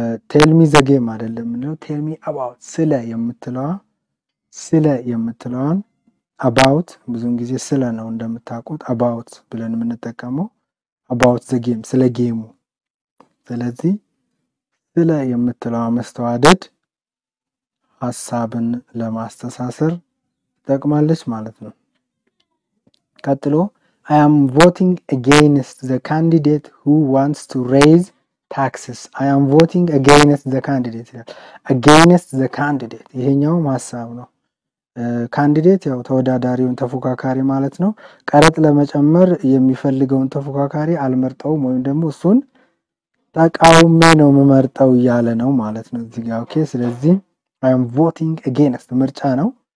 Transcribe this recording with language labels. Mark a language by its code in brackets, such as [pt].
[am] ቴል ሚ ዘ ጌም አይደለም የምንለው፣ ቴል ሚ አባውት ስለ የምትለዋ ስለ የምትለዋን አባውት። ብዙን ጊዜ ስለ ነው እንደምታውቁት አባውት ብለን የምንጠቀመው፣ አባውት ዘ ጌም ስለ ጌሙ። ስለዚህ ስለ የምትለዋ መስተዋድድ ሀሳብን ለማስተሳሰር ትጠቅማለች ማለት ነው። ቀጥሎ [en] I am voting against the candidate who wants to raise taxes. I am voting against the candidate. Against the candidate. [am] ይሄኛውም ሀሳብ ነው። ካንዲዴት ያው ተወዳዳሪውን ተፎካካሪ ማለት ነው። ቀረጥ ለመጨመር የሚፈልገውን ተፎካካሪ አልመርጠውም ወይም ደግሞ እሱን ተቃውሜ ነው የምመርጠው እያለ ነው ማለት ነው እዚህ ጋር። ኦኬ። ስለዚህ [en] I am voting against [am] ምርጫ ነው።